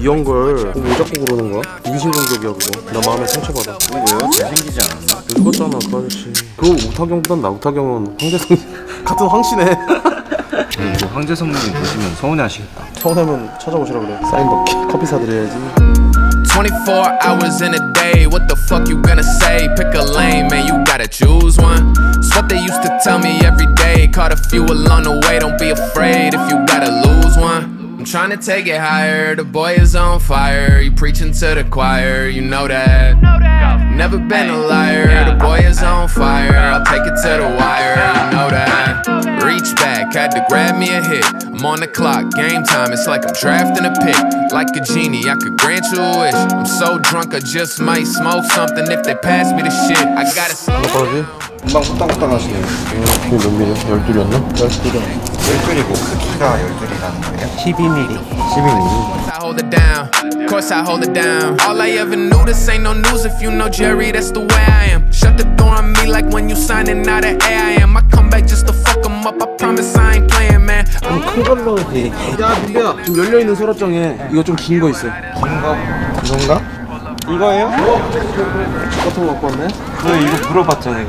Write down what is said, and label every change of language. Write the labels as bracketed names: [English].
[Korean] 이런 걸 왜 자꾸 그러는 거야? 인신공격이야 그거. 나 마음에 상처받아. 왜요? 잘생기지 않았나? 늙었잖아 그 아저씨. 그 우타경보단 나 우타경은 황제성 같은 황씨네. 이거 황제성님 보시면 서운해하시겠다. 서운하면 찾아오시라 그래. 사인받기 커피 사드려야지. [English] 24 hours in a day, what the fuck you gonna say? Pick a lane, man, you gotta choose one. It's what they used to tell me every day. Caught a few along the way, don't be afraid if you gotta lose one. I'm trying to take it higher, the boy is on fire. You preaching to the choir, you know that. Never been a liar, the boy is on fire. I'll take it to the wire, you know that. Reach back, had to grab me a hit. I'm on the clock, game time, it's like I'm drafting a pick. Like a genie, I could grant you a wish. I'm so drunk, I just might smoke something if they pass me the shit. I gotta smoke. [Korean] 금방 후딱후딱 하시네요. 그게 몇 미리? 12였나? 12. 12이고 크기가 12라는 거예요? 12mm. 12mm. [English] Hold it down, of course I hold it down. All I ever knew, this ain't no news. If you know Jerry, that's the way I am. Shut the door on me like when you signing out of AIM. I come back just to fuck him up. I promise I ain't playing, man. [Korean] 좀 큰 걸로. 야, 빌리야, 지금 열려있는 서랍장에 이거 좀 긴 거 있어. 긴 거? 이건가? 이거예요? 어떤 거 갖고 왔네? 그래, 이거 물어봤잖아요.